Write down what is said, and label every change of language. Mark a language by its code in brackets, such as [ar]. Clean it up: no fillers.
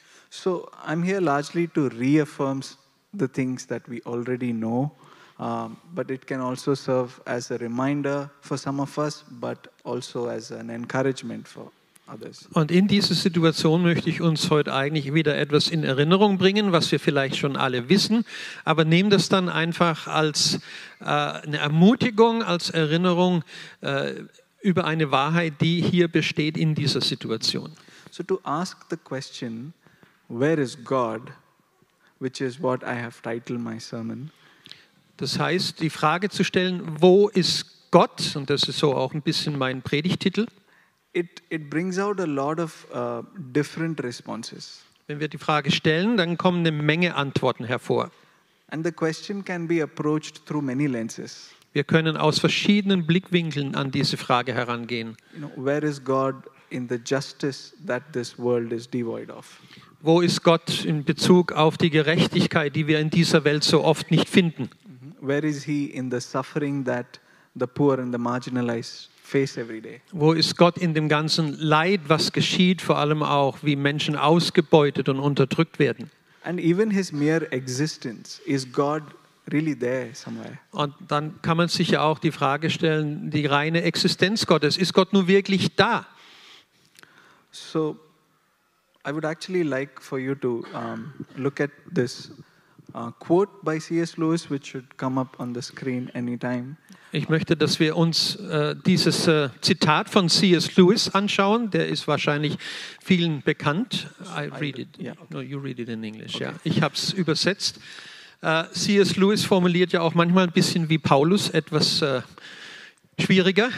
[en] So I'm here largely to reaffirm the things that we already know, but it can also serve as a reminder for some of us, but also as an encouragement for others. [de] Und in diese Situation möchte ich uns heute eigentlich wieder etwas in Erinnerung bringen, was wir vielleicht schon alle wissen, aber nehmt das dann einfach als eine Ermutigung, als Erinnerung über eine Wahrheit, die hier besteht in dieser Situation. [en] So to ask the question, where is God, which is what I have titled my sermon. [de] Das heißt, die Frage zu stellen, wo ist Gott, und das ist so auch ein bisschen mein Predigttitel. [en] It brings out a lot of different responses. [de] Wenn wir die Frage stellen, dann kommen eine Menge Antworten hervor. [en] And the question can be approached through many lenses. [de] Wir können aus verschiedenen Blickwinkeln an diese Frage herangehen. [en] You know, where is God in the justice that this world is devoid of? [de] Wo ist Gott in Bezug auf die Gerechtigkeit, die wir in dieser Welt so oft nicht finden? [en] Where is he in the suffering that the poor and the marginalized face every day? [de] Wo ist Gott in dem ganzen Leid, was geschieht, vor allem auch, wie Menschen ausgebeutet und unterdrückt werden? [en] And even his mere existence, is God really there somewhere? [de] Und dann kann man sich ja auch die Frage stellen, die reine Existenz Gottes, ist Gott nun wirklich da? [en] So I would actually like for you to look at this quote by C.S. Lewis, which should come up on the screen anytime. [de] Ich möchte, dass wir uns dieses Zitat von C.S. Lewis anschauen. Der ist wahrscheinlich vielen bekannt. [en] You read it in English. Okay. [de] Ja. Ich habe es übersetzt. [en] C.S. [de] Lewis formuliert ja auch manchmal ein bisschen wie Paulus, etwas schwieriger.